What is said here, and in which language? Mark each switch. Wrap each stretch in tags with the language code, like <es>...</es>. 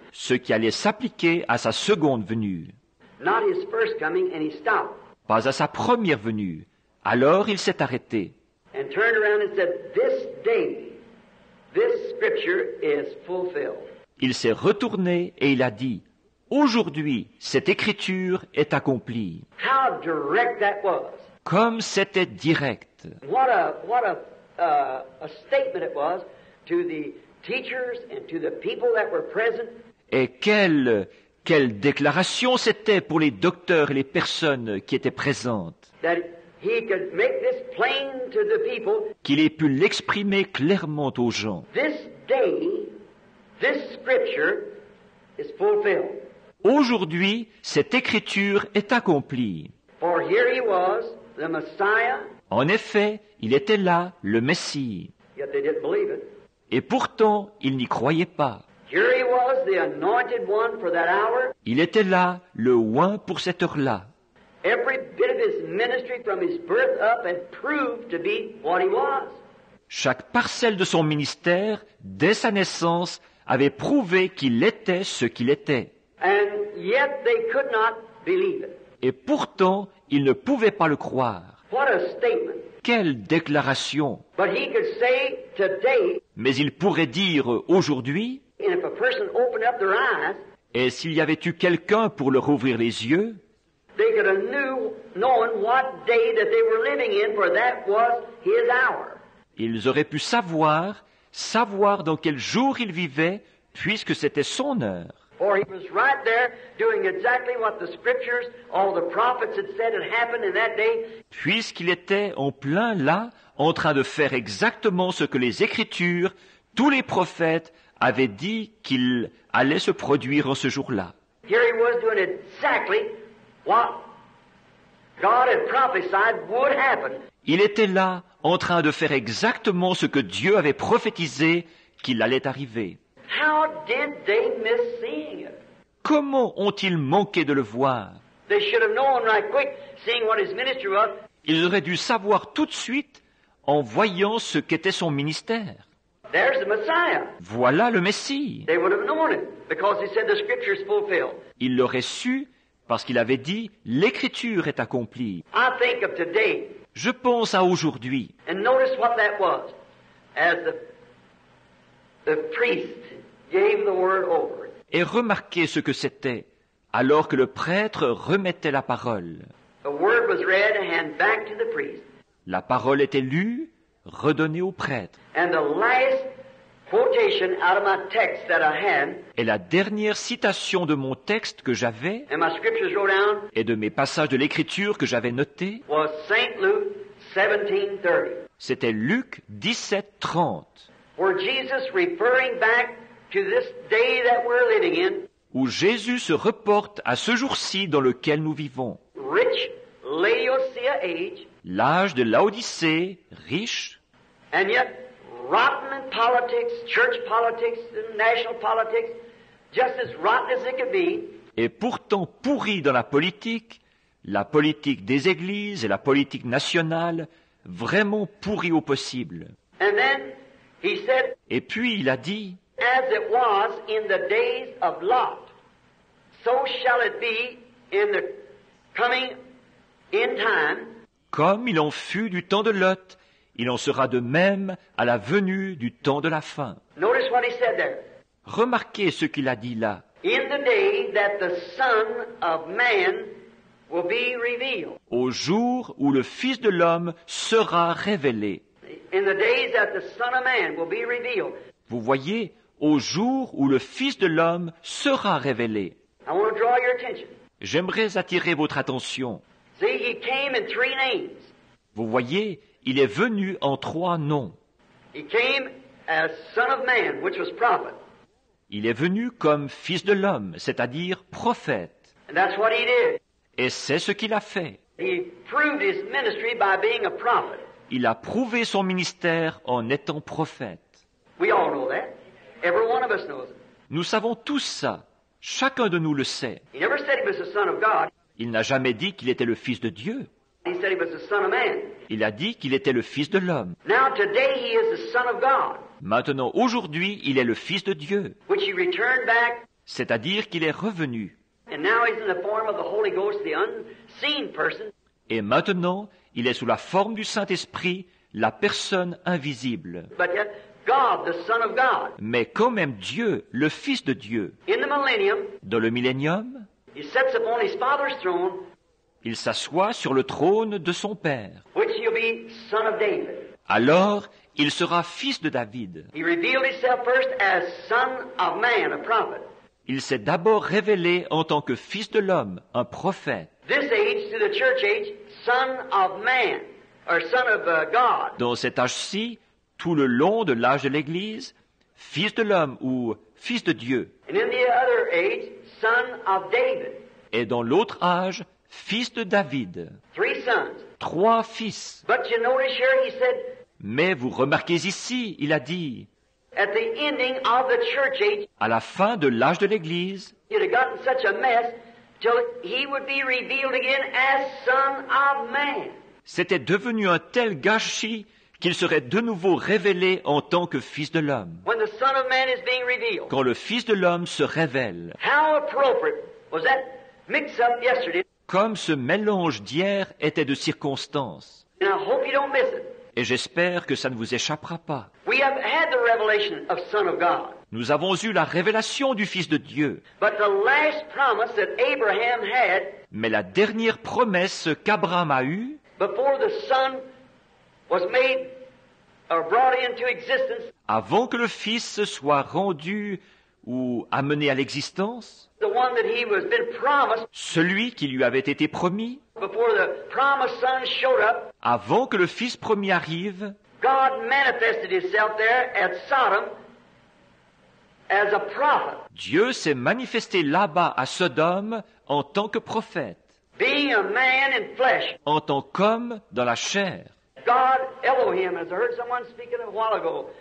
<fr>Ce qui allait s'appliquer à sa seconde venue.</fr> <en>Not his first coming, and he stopped.</en> <fr>Pas à sa première venue. Alors, il s'est arrêté.</fr> <en>And turned around and said, "This day, this scripture is fulfilled."</en> <fr>Il s'est retourné et il a dit, aujourd'hui, cette Écriture est accomplie.</fr> <en>How direct that was.</en> <fr>Comme c'était direct.</fr> <en>What a statement it was to the teachers and to the people that were present.</en> <fr>Et quelle déclaration c'était pour les docteurs et les personnes qui étaient présentes.</fr> <en>That he could make this plain to the people.</en> <fr>Qu'il ait pu l'exprimer clairement aux gens.</fr> <en>This day, this scripture is fulfilled.</en> <fr>Aujourd'hui, cette écriture est accomplie.</fr> <en>For here he was, the Messiah.</en> <fr>En effet, il était là, le Messie.</fr> <en>Yet they didn't believe it.</en> <fr>Et pourtant, ils n'y croyaient pas.</fr> <en>Here he was, the anointed one for that hour.</en> <fr>Il était là, le oint pour cette heure-là.</fr> <en>Every bit of his ministry from his birth up had proved to be what he was.</en> <fr>Chaque parcelle de son ministère, dès sa naissance, avait prouvé qu'il était ce qu'il était.</fr> <en>And yet they could not believe it.</en> <fr>Et pourtant, ils ne pouvaient pas le croire.</fr> <en>What a statement.</en> <fr>Quelle déclaration.</fr> <en>But he could say today,</en> <fr>mais il pourrait dire aujourd'hui,</fr> <en>and if a person opened up their eyes,</en> <fr>et s'il y avait eu quelqu'un pour leur ouvrir les yeux,</fr> <en>they could have knew, knowing what day that they were living in, for that was his hour.</en> <fr>Ils auraient pu savoir dans quel jour ils vivaient, puisque c'était son heure.</fr> <en>For he was right there doing exactly what the scriptures, all the prophets had said had happened in that day.</en> <fr>Puisqu'il était en plein là, en train de faire exactement ce que les Écritures, tous les prophètes, avaient dit qu'il allait se produire en ce jour-là.</fr> <en>Here he was doing exactly what God had prophesied would happen.</en> <fr>Il était là, en train de faire exactement ce que Dieu avait prophétisé qu'il allait arriver.</fr> <en>How did they miss seeing it?</en> <fr>Comment ont-ils manqué de le voir?</fr> <en>They should have known right quick, seeing what his ministry was.</en> <fr>Ils auraient dû savoir tout de suite en voyant ce qu'était son ministère.</fr> <en>There's the Messiah.</en> <fr>Voilà le Messie.</fr> <en>They would have known it because he said the scripture is fulfilled.</en> <fr>Ils l'auraient su parce qu'il avait dit l'écriture est accomplie.</fr> <en>I think of today.</en> <fr>Je pense à aujourd'hui.</fr> <en>And notice what that was. As the priest gave the word over.</en> <fr>Et remarquez ce que c'était alors que le prêtre remettait la parole.</fr> <en>The word was read and back to the priest.</en> <fr>La parole était lue, redonnée au prêtre.</fr> <en>And the last quotation out of my text that I had.</en> <fr>Et la dernière citation de mon texte que j'avais.</fr> <en>And my scriptures wrote down.</en> <fr>Et de mes passages de l'écriture que j'avais notés.</fr> <en>Was Saint Luke 17:30.</en> <fr>C'était Luc 17:30.</fr> <en>Where Jesus referring back to this day that we're living in.</en> <fr>Où Jésus se reporte à ce jour-ci dans lequel nous vivons.</fr> <en>Rich Laodicea age.</en> <fr>L'âge de Laodicée, riche.</fr> <en>And yet, rotten in politics, church politics, and national politics, just as rotten as it could be.</en> <fr>Et pourtant pourri dans la politique des églises et la politique nationale, vraiment pourri au possible.</fr> <en>And then, he said,</en> <fr>et puis il a dit,</fr> <en>as it was in the days of Lot, so shall it be in the coming in time.</en> <fr>Comme il en fut du temps de Lot, il en sera de même à la venue du temps de la fin.</fr> <en>Notice what he said there.</en> <fr>Remarquez ce qu'il a dit là.</fr> <en>In the day that the Son of Man will be revealed.</en> <fr>Au jour où le Fils de l'homme sera révélé.</fr> <en>In the days that the Son of Man will be revealed.</en> <fr>Vous voyez, au jour où le Fils de l'homme sera révélé.</fr> <en>I want to draw your attention.</en> <fr>J'aimerais attirer votre attention.</fr> <en>See, he came in three names.</en> <fr>Vous voyez, il est venu en trois noms.</fr> <en>He came as Son of Man, which was prophet.</en> <fr>Il est venu comme Fils de l'homme, c'est-à-dire prophète.</fr> <en>And that's what he did.</en> <fr>Et c'est ce qu'il a fait.</fr> <en>He proved his ministry by being a prophet.</en> <fr>Il a prouvé son ministère en étant prophète.</fr> <en>We all know that. Every one of us knows it.</en> <fr>Nous savons tous ça. Chacun de nous le sait.</fr> <en>He never said he was the Son of God.</en> <fr>Il n'a jamais dit qu'il était le Fils de Dieu.</fr> <en>He said he was the Son of Man.</en> <fr>Il a dit qu'il était le Fils de l'homme.</fr> <en>Now, today, he is the Son of God.</en> <fr>Maintenant, aujourd'hui, il est le Fils de Dieu.</fr> <en>Which he returned back.</en> <fr>C'est-à-dire qu'il est revenu.</fr> <en>And now he's in the form of the Holy Ghost, the unseen person.</en> <fr>Et maintenant, il est sous la forme du Saint-Esprit, la personne invisible.</fr> <en>But yet, God, the Son of God.</en> <fr>Mais quand même Dieu, le Fils de Dieu.</fr> <en>In the millennium,</en> <fr>dans le millénium,</fr> <en>he sits upon his Father's throne.</en> <fr>Il s'assoit sur le trône de son père.</fr> <en>Which shall be son of David.</en> <fr>Alors, il sera fils de David.</fr> <en>He revealed himself first as son of man, a prophet.</en> <fr>Il s'est d'abord révélé en tant que fils de l'homme, un prophète.</fr> <en>This age to the church age, son of man, or son of God.</en> <fr>Dans cet âge-ci, tout le long de l'âge de l'Église, fils de l'homme ou fils de Dieu.</fr> <en>And in the other age, son of David.</en> <fr>Et dans l'autre âge, fils de David.</fr> <en>Three sons.</en> <fr>Trois fils.</fr> <en>But you notice here, he said,</en> <fr>mais vous remarquez ici, il a dit,</fr> <en>at the ending of the church age,</en> <fr>à la fin de l'âge de l'Église,</fr> <en>it had gotten such a mess till he would be revealed again as son of man.</en> <fr>C'était devenu un tel gâchis qu'il serait de nouveau révélé en tant que fils de l'homme.</fr> <en>When the son of man is being revealed,</en> <fr>quand le fils de l'homme se révèle,</fr> <en>how appropriate was that mix-up yesterday?</en> <fr>Comme ce mélange d'hier était de circonstances.</fr> <en>And I hope you don't miss it.</en> <fr>Et j'espère que ça ne vous échappera pas.</fr> <en>We have had the revelation of Son of God.</en> <fr>Nous avons eu la révélation du Fils de Dieu.</fr> <en>But the last promise that Abraham had,</en> <fr>mais la dernière promesse qu'Abraham a eue,</fr> <en>before the Son was made or brought into existence,</en> <fr>avant que le Fils soit rendu ou amené à l'existence,</fr> <en>the one that he was been promised,</en> <fr>celui qui lui avait été promis,</fr> <en>before the promised son showed up,</en> <fr>avant que le fils promis arrive,</fr> <en>God manifested himself there at Sodom as a prophet.</en> <fr>Dieu s'est manifesté là-bas à Sodome en tant que prophète,</fr> <en>being a man in flesh,</en> <fr>en tant qu'homme dans la chair.</fr> <en>God Elohim, as I heard someone speaking a while ago.</en>